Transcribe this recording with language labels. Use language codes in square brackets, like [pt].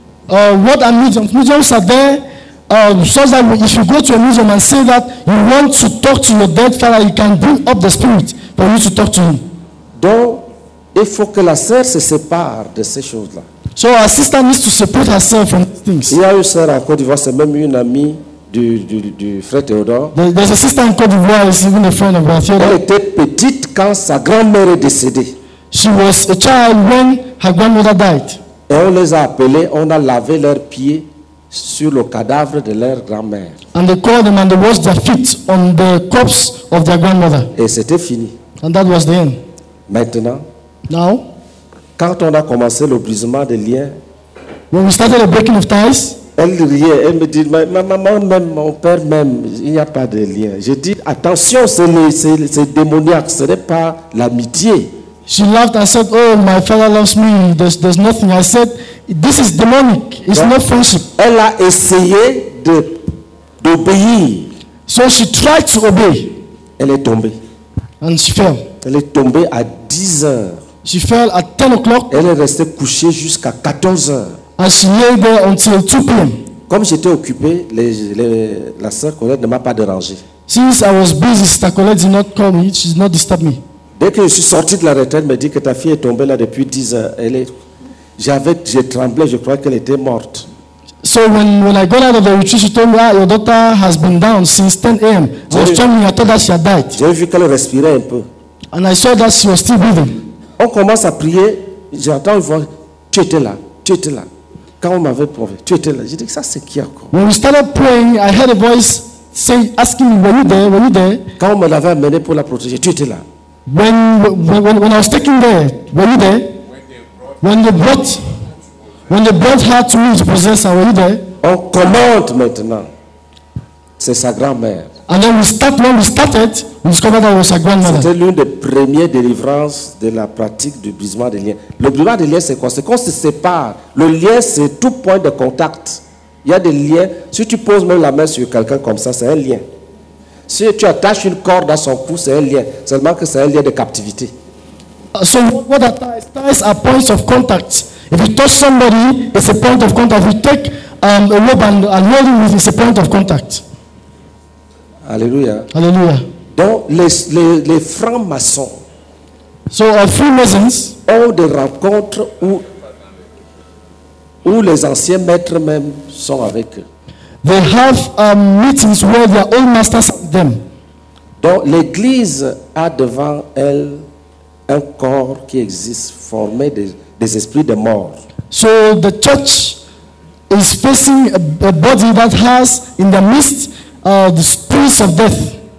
[en] What are mediums? Mediums are there. So that if you go to a museum and say that you want to talk to your dead father, you can bring up the spirit for you to talk to him. [fr] Donc, il faut que la sœur se sépare de ces choses-là. [en] So our sister needs to separate herself from things. [fr] Il y a une sœur en Côte d'Ivoire, c'est même une amie du frère Théodore. [en] There's a sister in Côte d'Ivoire, is even a friend of our Theodore. [fr] Elle était petite quand sa grand-mère est décédée. [en] She was a child when her grandmother died. [fr] Et on les a appelés, on a lavé leurs pieds sur le cadavre de leur grand-mère. [en] And they called them and they washed their feet on the corpse of their grandmother. [fr] Et c'était fini. [en] And that was the end. [fr] Maintenant, [en] now, [fr] quand on a commencé le brisement des liens, [en] when we started the breaking of ties, [fr] elle riait, elle me dit, ma maman même, mon père même, il n'y a pas de lien. J'ai dit, attention, c'est démoniaque, ce n'est pas l'amitié. [en] She laughed and said, oh, my father loves me, there's nothing. I said, this is demonic, it's not friendship. [fr] Elle a essayé d'obéir. [en] So she tried to obey. [fr] Elle est tombée. [en] And she fell. [fr] Elle est tombée à 10 heures. [en] She fell at 10 o'clock. [fr] Elle est restée couchée jusqu'à 14 heures. [en] And she lay there until 2 p.m. [fr] Comme j'étais occupé, la sœur Colette ne m'a pas dérangé. [en] Since I was busy, Sister Colette did not call me, she did not disturb me. [fr] Dès que je suis sorti de la retraite, elle m'a dit que ta fille est tombée là depuis 10 heures. J'ai tremblé, je croyais qu'elle était morte. [en] So when I got out of the retreat, she told me, ah, your daughter has been down since 10 a.m. I was trembling, I thought that she had died. [fr] J'ai vu qu'elle respirait un peu. [en] And I saw that she was still breathing. [fr] On commence à prier, j'entends une voix, tu étais là. Quand on m'avait prouvé, tu étais là. J'ai dit, ça c'est qui encore? [en] When we started praying, I heard a voice asking me, were you there? [fr] Quand on me l'avait amené pour la protéger, tu étais là. [en] When I was taken there, were you there? When they brought her to me to possess her, were you there? [fr] On commande maintenant. C'est sa grand-mère. [en] And then when we started, we discovered that it was her grandmother. [fr] C'était l'une des premières délivrances de la pratique du brisement des liens. Le brisement des liens, c'est quoi? C'est qu'on se sépare. Le lien, c'est tout point de contact. Il y a des liens. Si tu poses même la main sur quelqu'un comme ça, c'est un lien. Si tu attaches une corde à son cou, c'est un lien. Seulement que c'est un lien de captivité. [en] So what are ties? Ties are points of contact. If you touch somebody, it's a point of contact. If you take a rope and hold it, it's a point of contact. [fr] Alléluia. Alléluia. Donc les francs-maçons, [en] so our Freemasons, [fr] ont des rencontres où les anciens maîtres même sont avec eux. [en] They have meetings where their old masters are with them. [fr] Donc l'Église a devant elle un corps qui existe formé des esprits de mort. [en] So the church is facing a body that has in the midst the spirits of death.